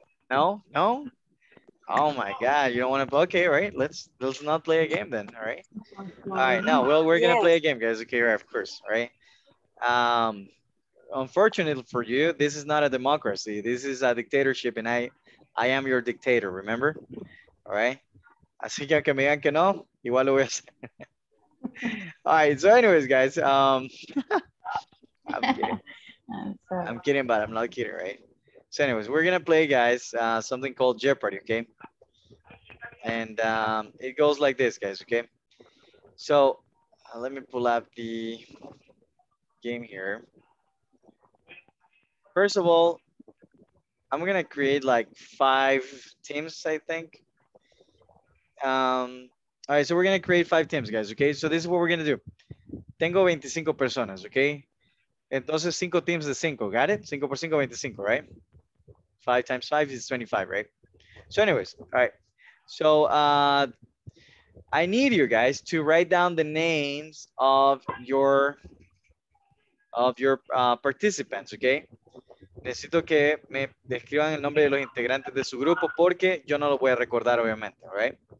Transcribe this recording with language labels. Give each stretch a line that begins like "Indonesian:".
English: No, no. Oh my God! You don't want to. Okay, right. Let's not play a game then. All right. No. Well, we're gonna play a game, guys. Okay, right. Of course. Right. Unfortunately for you, this is not a democracy. This is a dictatorship, and I am your dictator. Remember. All right.
Spanish: Así que aunque me digan que no, igual lo voy a hacer.
English: All right. So, anyways, guys. I'm kidding. I'm kidding, but I'm not kidding, right? So anyways, we're going to play, guys, something called Jeopardy, okay? And it goes like this, guys, okay? So let me pull up the game here. First of all, I'm going to create like five teams, I think. All right, so we're going to create five teams, guys, okay? So this is what we're going to do.
Spanish: Tengo 25 personas, okay? Entonces, cinco teams de cinco,
English: got it?
Spanish: Cinco por cinco,
English: 25, right? 5 times 5 is 25, right? So anyways, all right. So I need you guys to write down the names of your participants, okay?
Spanish: Necesito que me describan el nombre de los integrantes de su grupo porque yo no lo voy a recordar, obviamente,
English: all right?